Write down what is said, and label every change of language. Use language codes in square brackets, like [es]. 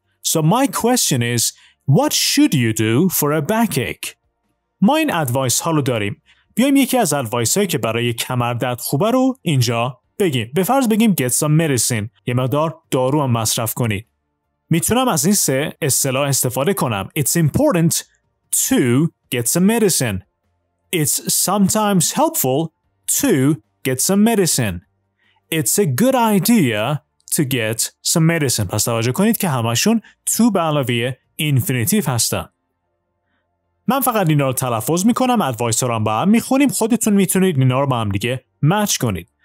[en] So my question is, what should you do for a backache? [fa] ما این ادوایس ها رو داریم. بیایم یکی از ادوایس هایی که برای کمردرد خوبه رو اینجا بگیم. به فرض بگیم [en] get some medicine. [fa] یه مقدار دارو هم مصرف کنید. میتونم از این سه اصطلاح استفاده کنم. [en] It's important to get some medicine. It's sometimes helpful to get some medicine. It's a good idea to get some medicine. [fa] پس توجه کنید که همشون to به علاوه infinitive هستن. من فقط اینا رو تلفظ میکنم، ادوایس رو هم با هم میخونیم، خودتون میتونید اینا رو با هم دیگه مچ کنید.